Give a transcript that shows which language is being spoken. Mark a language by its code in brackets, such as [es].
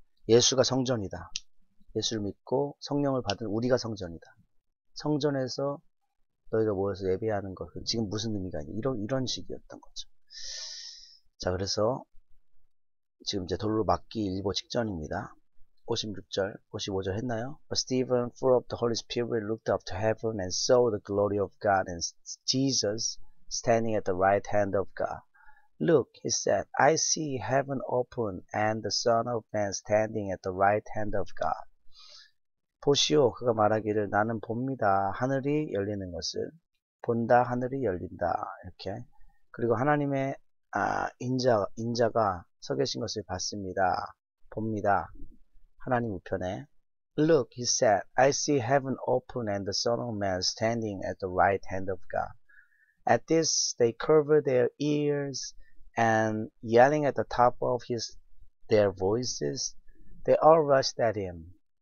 [ko] 예수가 성전이다. 예수를 믿고 성령을 받은 우리가 성전이다. 성전에서 너희가 모여서 예배하는 것 지금 무슨 의미가 있냐 이런 식이었던 거죠. 자 그래서 지금 이제 돌로 맞기 일보 직전입니다. 56절, 55절 했나요? [en] But Stephen, full of the Holy Spirit, looked up to heaven and saw the glory of God and Jesus standing at the right hand of God. Look, he said, I see heaven open and the Son of Man standing at the right hand of God. [ko] 보시오, 그가 말하기를 나는 봅니다. 하늘이 열리는 것을. 본다, 하늘이 열린다. 이렇게. 그리고 하나님의 인자가 서 계신 것을 봤습니다. 봅니다. 하나님 우편에. [en] Look, he said, I see heaven open and the Son of Man standing at the right hand of God. At this, they covered their ears and yelling at the top of their voices, they all rushed at him.